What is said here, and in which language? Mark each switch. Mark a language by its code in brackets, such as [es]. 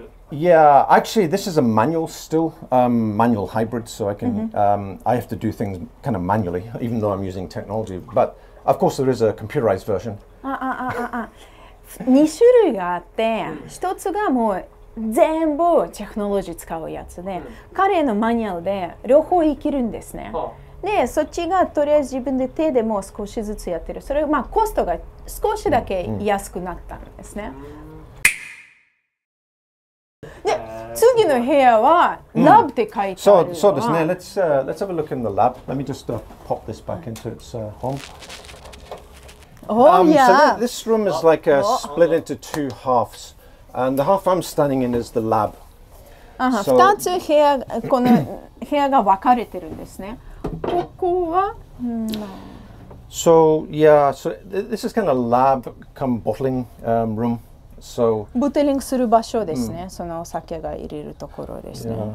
[en] Yeah, actually this is a manual still, manual hybrid, so I can, I have to do things kind of manually, even though I'm using technology, but of course there is a computerized version. [ja] Ah, 2種類があって、1つがもう全部テクノロジー使うやつで、彼のマニュアルで両方生きるんですね。で、そっちがとりあえず自分で手でも少しずつやってる。それまあコストが少しだけ安くなったんですね。で、次の部屋はラブって書いてあるのは。そうですね。 [en] Let's have a look in the lab. Let me just pop this back into its home. Oh, yeah. So this room is like a split into two halves. And the half I'm standing in is the lab. Uh-huh. [ja] So, 2つ部屋、この部屋が分かれてるんですね。ここは、 [en] So yeah, so this is kind of lab come bottling room. So [ja] bottling する場所ですね。そのお酒が入れるところですね。